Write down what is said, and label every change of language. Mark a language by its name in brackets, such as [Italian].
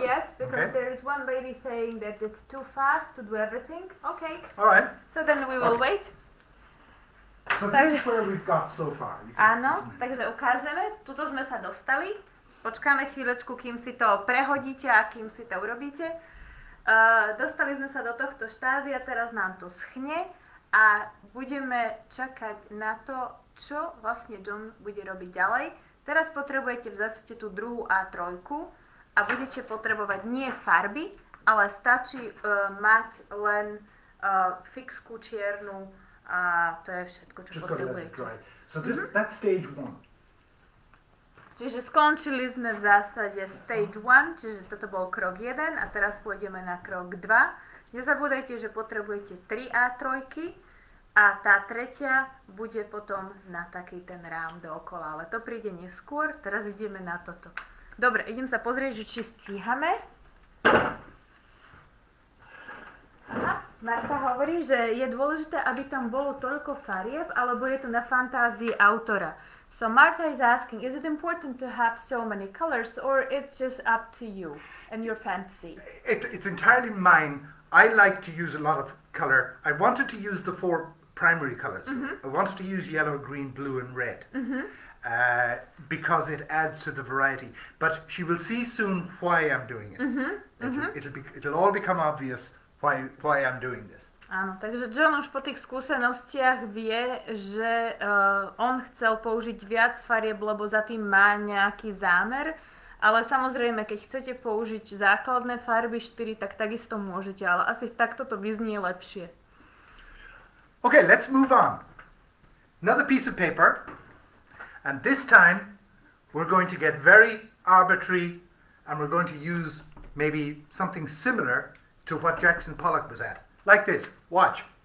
[English] Yes, because there is one lady saying that it's too fast to do everything. OK. Alright. So then we will wait. So this is where we've got so far. [Slovak] Áno, takže ukážeme. Tuto sme sa dostali. Počkáme chvíľočku, kým si to prehodíte a kým si to urobíte. Dostali sme sa do tohto štádia, teraz nám to schne a budeme čakať na to, čo vlastne John bude robiť ďalej. Teraz potrebujete v zásade tú druhú A3 a budete potrebovať nie farby, ale stačí mať len fixku čiernu. A to je všetko, čo [English] just [Slovak] potrebujete. [English] So this, that's stage one. [Slovak] Čiže skončili sme v zásade stage one, čiže toto bol krok jeden a teraz pôjdeme na krok dva. Nezabúdajte, že potrebujete 3 A3 a tá tretia bude potom na taký ten rám dookola, ale to príde neskôr. Teraz ideme na toto. Dobre, idem sa pozrieť, že či stíhame. Marta hovorí, že je dôležité, aby tam bolo toľko farieb, alebo je to na fantázii autora. [English] So Marta is asking, is it important to have so many colors, or it's just up to you and your fantasy? It's entirely mine. I like to use a lot of color. I wanted to use the 4 primary colors. Mm-hmm. I wanted to use yellow, green, blue, and red. Mm-hmm. Because it adds to the variety. But she will see soon why I'm doing it. Mm-hmm. It'll all become obvious. Why I'm doing this. [Slovak] Áno, takže John už po tých skúsenostiach vie, že on chcel použiť viac farieb, lebo za tým má nejaký zámer. Ale samozrejme, keď chcete použiť základné farby 4, tak takisto môžete, ale asi takto to vyznie lepšie. [English] OK, let's move on. Another piece of paper. And this time, we're going to get very arbitrary and we're going to use maybe something similar to what Jackson Pollock was at. Like this, watch.